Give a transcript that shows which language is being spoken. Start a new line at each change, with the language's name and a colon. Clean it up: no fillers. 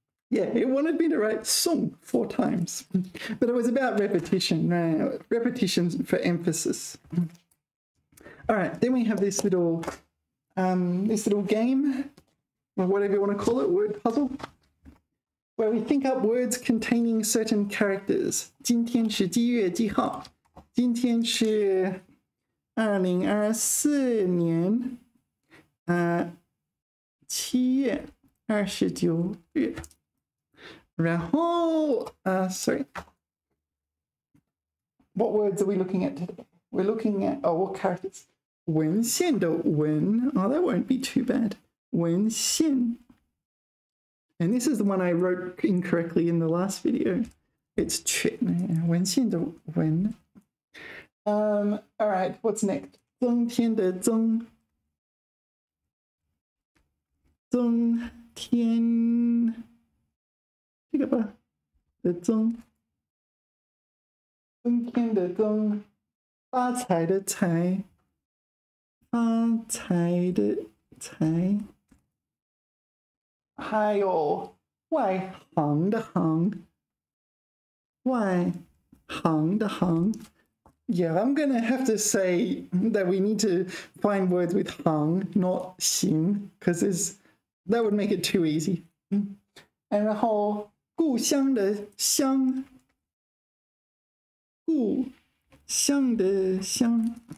English: yeah, it wanted me to write song four times. But it was about repetition, right? Repetitions for emphasis. All right, then we have this little game, or whatever you want to call it, word puzzle, where we think up words containing certain characters.
Chinese: 今天是几月几号? 今天是2024年七月二十九日。然后,
English: what words are we looking at today? We're looking at, what characters?
Chinese: 文献的文
English: oh that won't be too bad
Chinese: 文献
English: and this is the one I wrote incorrectly in the last video it's
Chinese: 文献的文
English: alright what's next
Chinese: 增添的增增添这个吧的增增添的增发财的财发财的财，还有外行的行，外行的行。
English: Yeah, I'm gonna have to say that we need to find words with 行 not 行 because this that would make it too easy.
Chinese: 嗯，然后故乡的乡，故乡的乡。